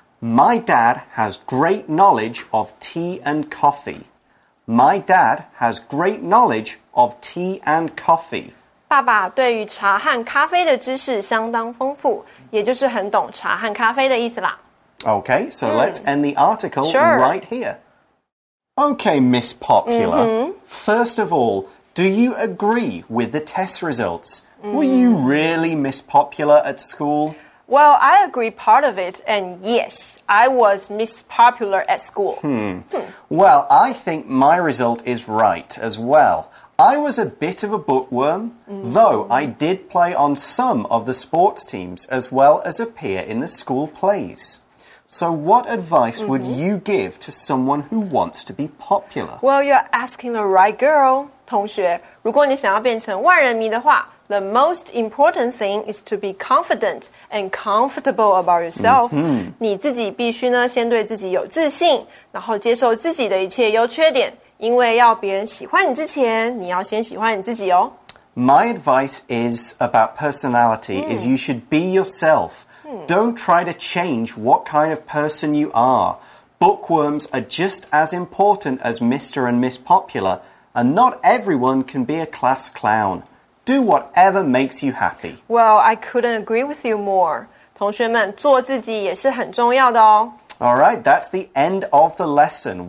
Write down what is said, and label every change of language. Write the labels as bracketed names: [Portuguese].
[English] My dad has great knowledge of tea and coffee. My dad has great knowledge of tea and coffee. [Chinese] 爸爸对于茶和咖啡的知识相当丰富，也就是很懂茶和咖啡的意思啦。 [English] Okay, so let's end the article right here. Okay, Miss Popular, first of all, do you agree with the test results? Were you really Miss Popular at school? Well, I agree part of it, and yes, I was Miss Popular at school. Well, I think my result is right as well. I was a bit of a bookworm, though I did play on some of the sports teams as well as appear in the school plays. So what advice would you give to someone who wants to be popular? Well, you're asking the right girl, 同学。 [Chinese] 如果你想要变成万人迷的话， [English] The most important thing is to be confident and comfortable about yourself. [Chinese] 你自己必须呢先对自己有自信，然后接受自己的一切优缺点，因为要别人喜欢你之前，你要先喜欢你自己哦。 [English] My advice is about personality, is you should be yourself. Don't try to change what kind of person you are. Bookworms are just as important as Mr. and Miss Popular, and not everyone can be a class clown.Do whatever makes you happy. Well, I couldn't agree with you more. [Chinese] 同学们，做自己也是很重要的哦。 [English] All right, that's the end of the lesson.